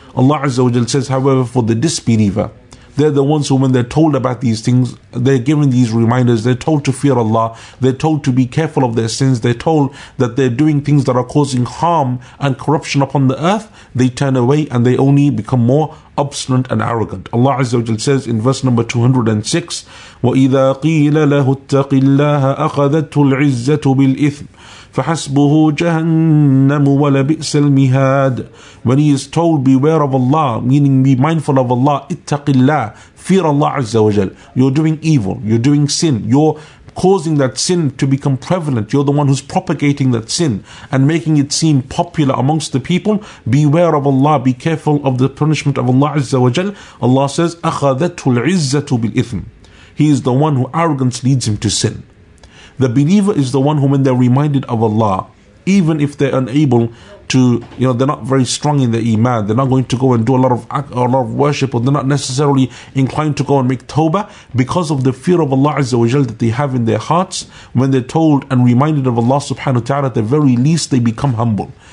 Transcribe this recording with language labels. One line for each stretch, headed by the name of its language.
English: Allah azza wa jal says, however, for the disbeliever, they're the ones who, when they're told about these things, they're given these reminders, they're told to fear Allah, they're told to be careful of their sins, they're told that they're doing things that are causing harm and corruption upon the earth, they turn away and they only become more obstinate and arrogant. Allah Azza wa Jal says in verse number 206,
Arabic: وَإِذَا قِيلَ لَهُ اتَّقِ اللَّهَ أَخَذَتُ الْعِزَّةُ بِالْإِثْمِ فَحَسْبُهُ جَهَنَّمُ وَلَبِئْسَ الْمِهَادِ.
English: When he is told, beware of Allah, meaning be mindful of Allah,
Arabic: اتَّقِ اللَّهَ,
English: fear Allah Azza wa Jal. You're doing evil, you're doing sin, you're causing that sin to become prevalent, you're the one who's propagating that sin and making it seem popular amongst the people, beware of Allah, be careful of the punishment of Allah Azza wa Jal. Allah says,
Arabic: أَخَذَتُ الْعِزَّةُ بِالْإِثْمِ.
English: He is the one who arrogance leads him to sin. The believer is the one who, when they're reminded of Allah, even if they're unable to, they're not very strong in their iman, they're not going to go and do a lot of worship, or they're not necessarily inclined to go and make tawbah, because of the fear of Allah Azza wa Jal that they have in their hearts, when they're told and reminded of Allah subhanahu wa ta'ala, at the very least they become humble.